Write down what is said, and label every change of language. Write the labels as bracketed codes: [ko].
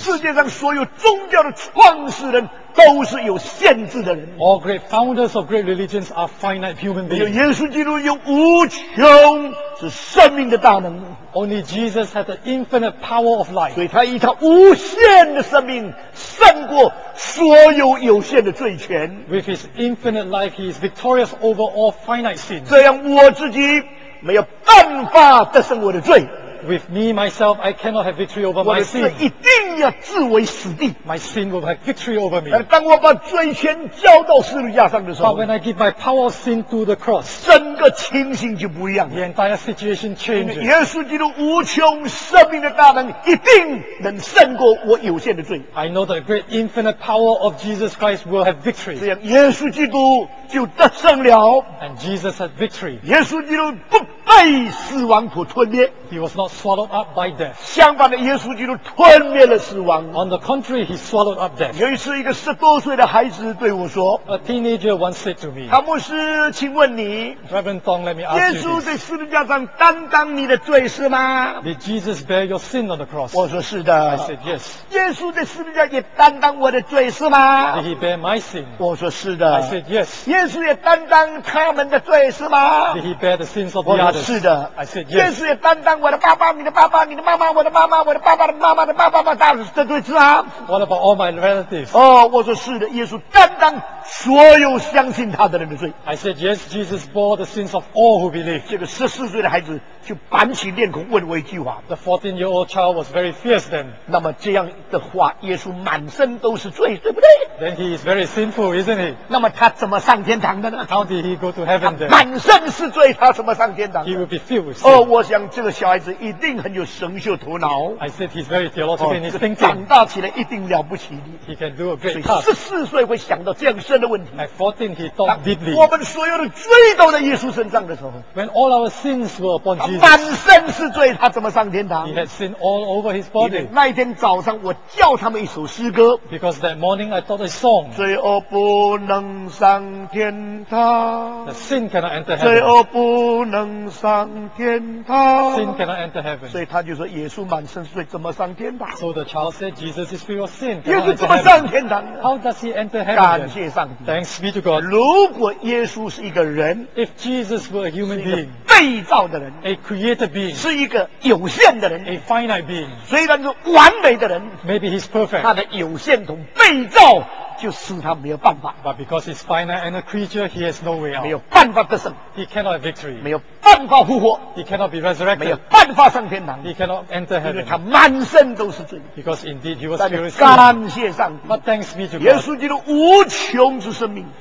[zh] 世界上所有宗教的创始人都是有限制的人 [en] all great founders of great religions are finite human beings [zh] 只有耶稣基督有无穷是生命的大能 [en] only Jesus had the infinite power of life [zh] 所以他以他无限的生命胜过所有有限的罪权 [en] with his infinite life he is victorious over all finite sins [zh] 这样我自己没有办法得胜我的罪 [en] With me, myself, I cannot have victory over my sin. [zh] 我的罪一定要置为死地。 [en] My sin will have victory over me. [zh] 但是当我把罪权交到十字架上的时候 [en] But when I give my power of sin to the cross, [zh] 整个情形就不一样。 [en] The entire situation changes. [zh] 耶稣基督无穷生命的大能一定能胜过我有限的罪。 [en] I know the great infinite power of Jesus Christ will have victory. [zh] 这样耶稣基督就得胜了。 [en] And Jesus had victory. [zh] 耶稣基督不被死亡所吞灭。 [en] He was not swallowed up by death. [zh] 相反的，耶稣基督吞灭了死亡。 [en] On the contrary, he swallowed up death. [zh] 有一次，一个十多岁的孩子对我说 [en] ，A teenager once said to me, [zh] 唐牧师，请问你 [en] ，Reverend Tong, let me ask you, [zh] 耶稣在十字架上担当你的罪是吗 [en] ？Did Jesus bear your sin on the cross? [zh] 我说是的。 [en] I said yes. [zh] 耶稣在十字架也担当我的罪是吗 [en] ？Did he bear my sin? [zh] 我说是的。 [en] I said yes. [zh] 耶稣也担当他们的罪是吗 [en] ？Did he bear the sins of the others? [zh] 我说是的。 [en] I said yes. [zh] 耶稣也担当我的爸爸，你的爸爸，你的妈妈，我的妈妈，我的爸爸的妈妈的爸爸妈妈，当然这对是啊。 [en] What about all my relatives? [zh] 哦，我说是的，耶稣担当所有相信他的人的罪。 [en] I said yes, Jesus bore the sins of all who believe. [zh] 这个十四岁的孩子就板起面孔问我一句话。 [en] The 14-year-old child was very fierce then. [zh] 那么这样的话，耶稣满身都是罪，对不对 [en] ？Then he is very sinful, isn't he? [zh] 那么他怎么上天堂的呢 [en] ？How did he go to heaven then? [zh] 满身是罪，他怎么上天堂 [en] ？He will be filled with sin. [zh] 哦，我想这个小孩子。一定很有神秀头脑 [en] I said he's very theological in his thinking [zh] 长大起来一定了不起的 [en] He can do a great task [zh] 14岁会想到这样事人的问题。 [en] At 14, he thought deeply. [zh] 我们所有的罪都在耶稣身上的时候。 [en] When all our sins were upon Jesus. [zh] 满身是罪，他怎么上天堂？ [en] He had sin all over his body. [zh] 那一天早上，我教他们一首诗歌。 [en] Because that morning I taught a song. [zh] 罪恶不能上天堂。 [en] The sin cannot enter heaven. [zh] 罪恶不能上天堂。 [en] Sin cannot enter heaven. [zh] 所以他就说，耶稣满身是罪，怎么上天堂？ [en] So the child said, Jesus is free of sin. [zh] 耶稣怎么上天堂？ [en] How does he enter heaven? [zh] 感谢上帝。 [en] Thanks be to God. [zh] 如果耶稣是一个人， [en] If Jesus were a human being, [zh] 是一个被造的人， [en] A created being, [zh] 是一个有限的人， [en] A finite being, [zh] 虽然是完美的人， [en] Maybe he's perfect. [zh] 他的有限同被造就使他没有办法。 [en] But because he's finite and a creature, he has no way out. [zh] 没有办法得胜。 [en] He cannot have victory. [zh] 没有办法复活。 [en] He cannot be resurrected. [zh] 没有办法上天堂。 [en] He cannot enter heaven. [zh] 因为他满身都是罪。 [en] Because indeed he was furious. [zh] 感谢上帝。 [en] But thanks be to God. [zh] 耶稣基督无穷之生命。